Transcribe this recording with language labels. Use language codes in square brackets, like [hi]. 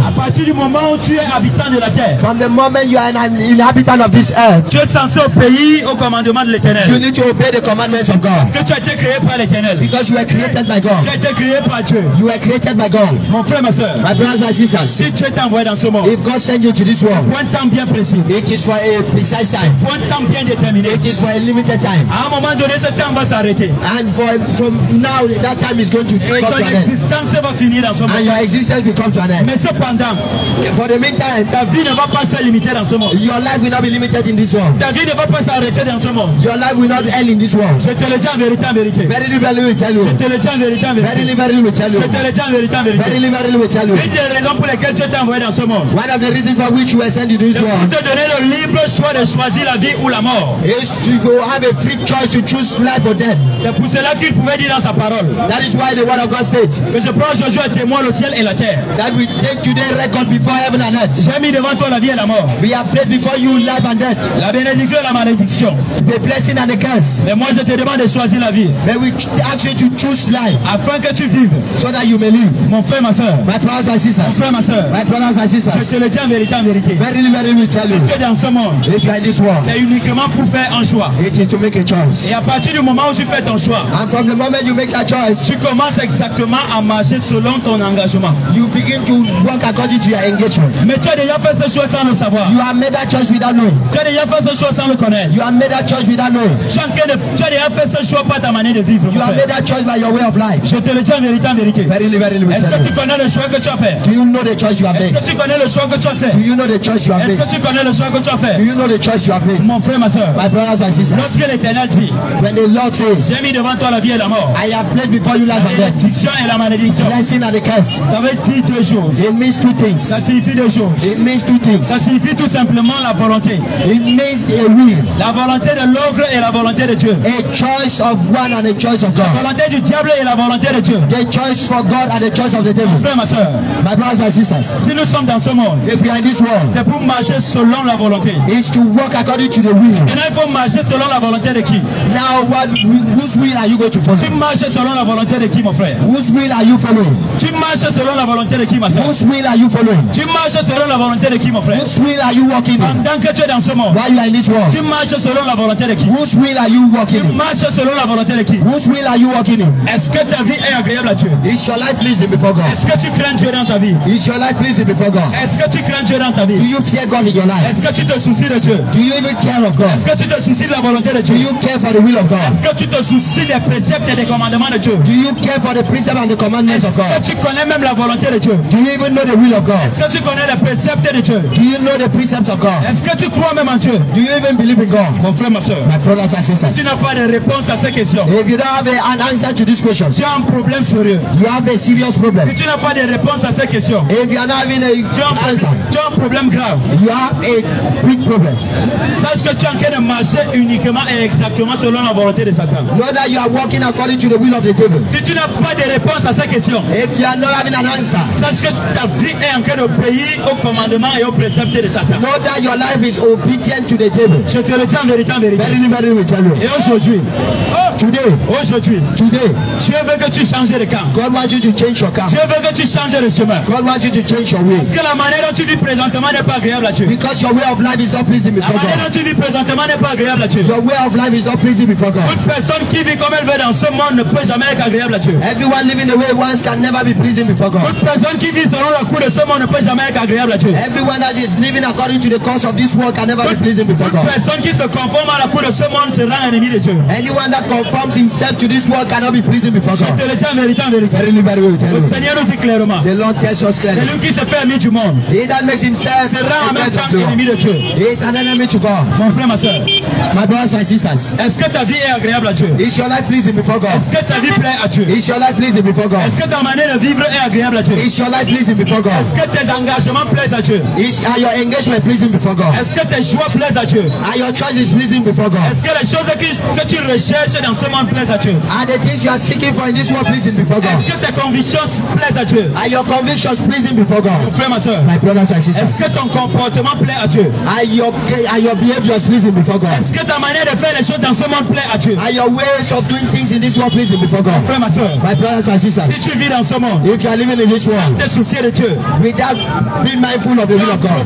[fr] À partir du moment où tu es habitant de la terre. [en] From the moment you are an inhabitant of this earth. [fr] Tu es censé obéir au commandement de l'Éternel. [en] You need to obey the commandments of God. [fr] Parce que tu as été créé par l'Éternel. [en] Because you were created. [fr] Tu as été créé par Dieu. [en] You were created by God. [fr] Mon frère, ma soeur. [en] My brothers, my sisters. [fr] Si tu es envoyé dans ce monde. [en] If God sent you to this world. [fr] Pour un temps bien précis. [en] It is for a precise time. [fr] Pour un temps bien déterminé. [en] It is for a limited time. [fr] À un moment donné, ce temps va s'arrêter. [en] And from now, that time is going to come to an end. [fr] Et ton existence va finir dans ce monde. [en] And your existence will come to an end. [fr] Mais cependant, [en] for the meantime, [fr] ta vie ne va pas se limiter dans ce monde. [en] Your life will not be limited in this world. [fr] Ta vie ne va pas s'arrêter dans ce monde. [en] Your life will not end in this world. [fr] Je te le dis en vérité, en vérité. [en] Very liberally, I tell you. [fr] Je te le dis. [en] Verily, verily, we tell you. Verily, verily, we tell you. Verily, verily, we tell you. [fr] Une des raisons pour lesquelles Dieu t'a envoyé dans ce monde. [en] One of the reasons for which you were sent to this world. [fr] Pour te donner le libre choix de choisir la vie ou la mort. [en] Is to have a free choice to choose life or death. [fr] C'est pour cela qu'il pouvait dire dans sa parole. [en] That is why the word of God states. [fr] Que je prends aujourd'hui à témoin le ciel et la terre. [en] That we take today record before heaven and earth. [fr] J'ai mis devant toi la vie et la mort. [en] We have placed before you life and death. [fr] La bénédiction et la malédiction. [en] The blessing and the curse. [fr] Mais moi je te demande de choisir la vie. [en] May we ask you to choose life. [fr] Afin que tu vives, [en] so that you may live. [fr] Mon frère, ma soeur. [en] My brothers, my sisters. [fr] Mon frère, ma soeur. [en] My brothers, my sisters. [fr] Je te le tiens vérité en vérité. [en] Verily, verily, we tell you. [fr] Si tu es dans ce monde. [en] If you are in this world. [fr] C'est uniquement pour faire un choix. [en] It is to make a choice. [fr] Et à partir du moment où tu fais ton choix. [en] And from the moment you make that choice. [fr] Tu commences exactement à marcher selon ton engagement. [en] You begin to walk according to your engagement. [fr] Mais tu as déjà fait ce choix sans le savoir. [en] You have made that choice without knowing. [fr] Tu as déjà fait ce choix sans le connaître. [en] You have made that choice without knowing. [fr] Tu as déjà fait ce choix par ta manière de vivre. [en] You have made that choice by your way of life. life. [fr] Je te le dis en vérité, en vérité. [en] Verily, verily, [fr] est-ce que tu connais le choix que tu as fait? [en] Do you know the choice you have made? [fr] Est-ce que tu connais le choix que tu as fait? [en] Do you know the choice you have made? [fr] Est-ce que tu connais le choix que tu as fait? [en] Do you know the choice you have made? [fr] Mon frère, ma soeur. [en] My brothers, my sisters. [fr] Lorsque l'Éternel dit, [en] when the Lord says, [fr] j'ai mis devant toi la vie et la mort. [en] I have placed before you life and death. [fr] La bénédiction et la malédiction. [en] Blessing and the curse. [fr] Ça veut dire deux choses. [en] It means two things. [fr] Ça signifie deux choses. [en] It means two things. [fr] Ça signifie tout simplement la volonté. [en] It means a will. [fr] La volonté de l'ogre et la volonté de Dieu. [en] A choice of one and a choice of God. [fr] La volonté du diable et la volonté de Dieu. [en] The choice for God and the choice of the devil. [fr] Frère, ma soeur. [en] My brothers, my sisters. [fr] Si nous sommes dans ce monde, [en] if we are in this world, [fr] c'est pour marcher selon la volonté. [en] It's to walk according to the will. [fr] Maintenant, il faut marcher selon la volonté de qui? [en] Now, what, whose will are you going to follow? [fr] Tu marches selon la volonté de qui, mon frère? [en] Whose will are you following? [fr] Tu marches selon la volonté de qui, ma soeur? [en] Whose will are you following? [fr] Tu marches selon la volonté de qui, mon frère? [en] Whose will are you walking in? [fr] Pendant que tu es dans ce monde, [en] while you are in this world, [fr] tu marches selon la volonté de qui? [en] Whose will are you walking in? [fr] Tu marches selon la volonté de qui? [en] Whose will are you walking in? [fr] Est-ce que ta vie est agréable à Dieu? [en] Is your life pleasing before God? [fr] Est-ce que tu crains Dieu dans ta vie? [en] Is your life pleasing before God? [fr] Est-ce que tu crains Dieu dans ta vie? [en] Do you fear God in your life? [fr] Est-ce que tu te soucies de Dieu? [en] Do you even care of God? [fr] Est-ce que tu te soucies de la volonté de Dieu? [en] Do you care for the will of God? [fr] Est-ce que tu te soucies des préceptes et des commandements de Dieu? [en] Do you care for the precepts and the commandments of God? [fr] Est-ce que tu connais même la volonté de Dieu? [en] Do you even know the will of God? [fr] Est-ce que tu connais les préceptes de Dieu? [en] Do you know the precepts of God? [fr] Est-ce que tu crois même en Dieu? [en] Do you even believe in God? [fr] Mon frère, ma soeur. [en] My brothers and sisters. [fr] Si tu n'as pas de réponse à ces questions, [en] if you don't have an answer to this question, [fr] tu as un problème sérieux. [en] You have a serious problem. [fr] Si tu n'as pas de réponse à ces questions, [en] if you are not having a answer, [fr] tu as un problème grave. [en] You have a big problem. [fr] Sache que tu es en train de marcher uniquement et exactement selon la volonté de Satan. [en] Know that you are walking according to the will of the devil. [fr] Si tu n'as pas de réponse à ces questions, [en] if you are not having an answer, [fr] sache que ta vie est en train d'obéir au commandement et au précepte de Satan. [en] Know that your life is obedient to the devil. [fr] Je te le dis en vérité, en vérité. [en] Verily, verily, we tell you. [fr] Et aujourd'hui, [en] Today, [fr] Dieu veut que tu changes de camp. [en] God wants you to change your camp. [fr] Dieu veut que tu changes de chemin. [en] God wants you to change your way. [fr] Parce que la manière dont tu vis présentement n'est pas agréable à Dieu. [en] Because your way of life is not pleasing before God. [fr] La manière dont tu vis présentement n'est pas agréable à Dieu. [en] Your way of life is not pleasing before God. [fr] Toute personne qui vit comme elle veut dans ce monde ne peut jamais être agréable à Dieu. [en] Everyone living the way one can never be pleasing before God. [fr] Toute personne qui vit selon la cour de ce monde ne peut jamais être agréable à Dieu. [en] Everyone that is living according to the course of this world can never be pleasing before God. [fr] Toute personne qui se conforme à la cour de ce monde sera un ennemi de Dieu. [en] Anyone that conforms himself to this world cannot be pleasing before God. [fr] Je te le dis en vérité, en vérité. [en] Very liberty, very liberty. [fr] Le Seigneur nous dit clairement. [en] The Lord tells us clearly. [fr] C'est lui qui se fait ami du monde. [en] He that makes himself [fr] sera en même temps ennemi de Dieu. [en] He is an enemy to God. [fr] Mon frère, ma soeur. [en] My brothers, my sisters. [fr] Est-ce que ta vie est agréable à Dieu? [en] Is your life pleasing before God? [fr] Est-ce que ta vie plaît à Dieu? [en] Is your life pleasing before God? [fr] Est-ce que ta manière de vivre est agréable à Dieu? [en] Is your life pleasing before God? [fr] Est-ce que tes engagements plaisent à Dieu? [en] Are your engagement pleasing before God? [fr] Est-ce que tes choix plaisent à Dieu? [en] Are your choices pleasing before God? [fr] Est-ce que les choses que tu recherches dans ce monde plaisent à Dieu? [en] Are the things you are seeking for in this world pleasing before God? [fr] Est-ce que tes convictions plaisent à Dieu? [en] Are your convictions pleasing before God? [fr] Mon frère, ma soeur. [en] My brothers, my sisters. [fr] Est-ce que ton comportement plaît à Dieu? [en] Are your behaviors pleasing before God? [fr] Est-ce que ta manière de faire les choses dans ce monde plaît à Dieu? [en] Are your ways of doing things in this world pleasing before God? [fr] Mon frère, ma soeur. [en] My brothers, my sisters. [fr] Si tu vis dans ce monde, [en] if you are living in this world, [fr] sans te soucier de Dieu, [en] without being mindful of the will of God,